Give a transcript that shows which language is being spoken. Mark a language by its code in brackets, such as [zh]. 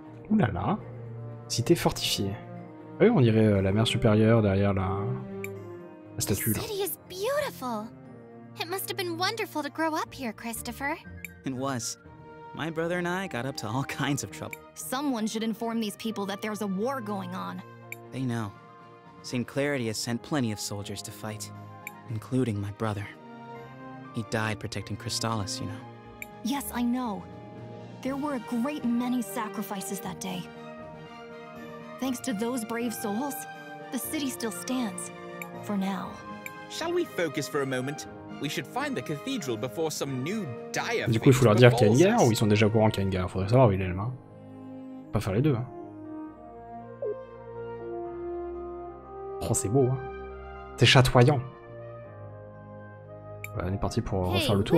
[fr] Oulala, cité fortifiée. Oui, on dirait la mer supérieure derrière la statue. [en] The city is beautiful. It must have been wonderful to grow up here, Christopher. It was. My brother and I got up to all kinds of trouble. Someone should inform these people that there's a war going on. They know. Saint Clarity has sent plenty of soldiers to fight, including my brother. He died protecting Crystallis, you know. Yes, I know. There were a great many sacrifices that day. Thanks to those brave souls, the city still stands, for now. Shall we focus for a moment? We should find the cathedral before some new dire fate. [fr] Du coup, il faut leur dire qu'il y a une guerre ou ils sont déjà au courant qu'il y a une guerre. Faudrait savoir où il est, hein. Pas faire les deux. Hein. Oh, c'est beau. Hein. C'est chatoyant. Bah, on est parti pour refaire le tour.